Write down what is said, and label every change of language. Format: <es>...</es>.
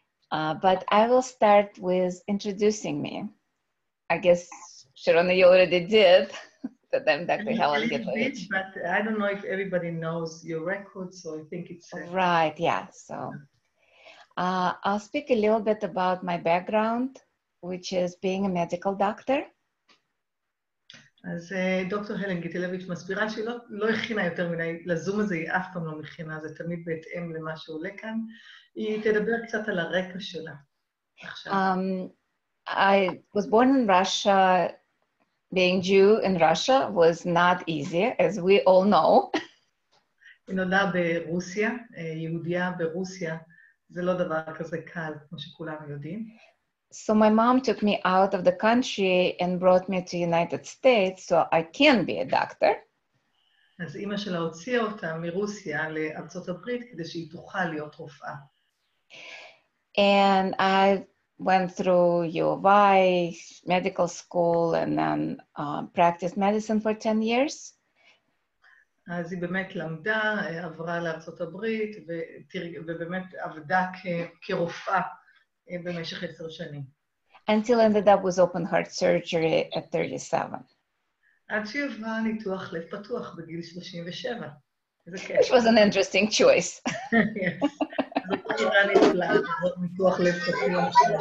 <en>But I will start with introducing me. I guess, Sharona, you already did, that I'm Dr. Helen Gitlevich. But I don't know if everybody knows your record, so I think it's... Right, yeah. So I'll speak a little bit about my background, which is being a medical doctor.</en> <he>אז דוקטור הלן גיטלביץ' מסבירה שהיא לא הכינה יותר מדי, לזום הזה היא אף פעם לא מכינה, זה תמיד בהתאם למה שעולה כאן. היא תדבר קצת על הרקע שלה.</he> <en>I was born in Russia, being Jew in Russia was not easy, as we all know.</en> <he>היא נולדה ברוסיה, יהודיה ברוסיה, זה לא דבר כזה קל, כמו שכולם יודעים.</he> <en>So my mom took me out of the country and brought me to United States so I can be a doctor.</en> <he>אז אמא שלה הוציאה אותה מרוסיה לארצות הברית כדי שהיא תוכל להיות רופאה.</he> <en>And I went through U of I medical school and then practiced medicine for 10 years.</en> <he>אז היא באמת למדה, עברה לארצות הברית ובאמת עבדה כרופאה. במשך 10 שנים.</he> <en>Until ended up with open heart surgery at 37.</en> <he>עד שהיא עברה ניתוח לב פתוח בגיל 37.</he> <en>Which was an interesting choice. Yes.</en> <he>זה כבר נראה לי נפלא, ניתוח לב פתוח. איזה רעש.</he>